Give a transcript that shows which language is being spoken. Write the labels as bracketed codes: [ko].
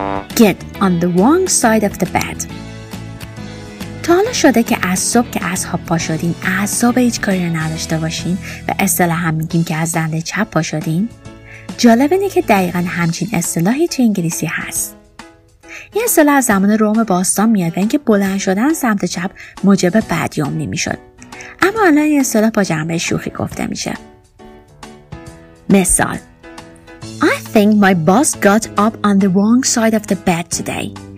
[en] Get on the wrong side of the bed. [fa] تا حالا شده که از صبح که از خواب پا شدین اعصاب هیچ کاری نداشته باشین و اصطلاح هم میگیم که از دنده چپ پا شدین؟ جالب اینه که دقیقا همچین اصطلاحی تو انگلیسی هست. این اصطلاح از زمان روم باستان میاد و اینکه بلند شدن سمت چپ موجب بدیام نمیشد، اما الان این اصطلاح با جنبه شوخی گفته میشه. مثال: [en] I think my boss got up on the wrong side of the bed today.